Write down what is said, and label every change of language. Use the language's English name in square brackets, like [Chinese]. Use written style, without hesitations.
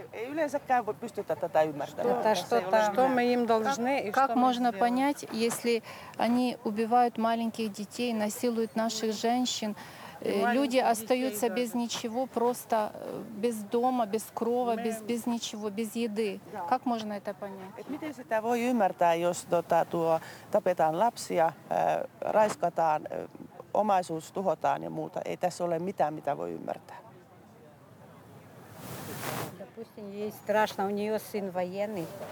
[Finnish] Yleensäkään voi pystytä tätä ymmärtämään. [Russian] Что мы им должны и что. Как можно понять, если они убивают маленьких детей, насилуют наших женщин, люди остаются без ничего, просто без дома, без крова, без ничего, без еды. Как можно это понять? [Finnish] Miten sitä voi ymmärtää, jos tapetaan lapsia, raiskataan, omaisuus tuhotaan ja muuta? Ei tässä ole mitään, mitä voi ymmärtää. [Russian] Допустим, ей страшно, у нее сын военный.